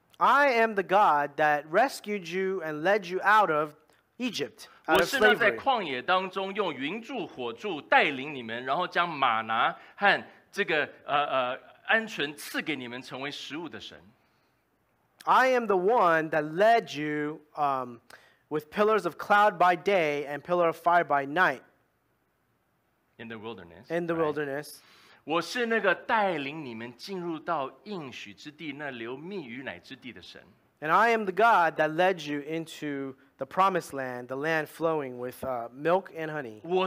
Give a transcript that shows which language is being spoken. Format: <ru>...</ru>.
<en>I am the God that rescued you and led you out of Egypt.</en> <zh>我是那在旷野当中用云柱火柱带领你们，然后将玛拿和这个鹌鹑赐给你们成为食物的神。</zh> <en>I am the one that led you with pillars of cloud by day and pillar of fire by night. In the wilderness. In the wilderness.</en> <zh>我是那个带领你们进入到应许之地，那流蜜与奶之地的神。</zh> <en>And I am the God that led you into the promised land, the land flowing with milk and honey.</en>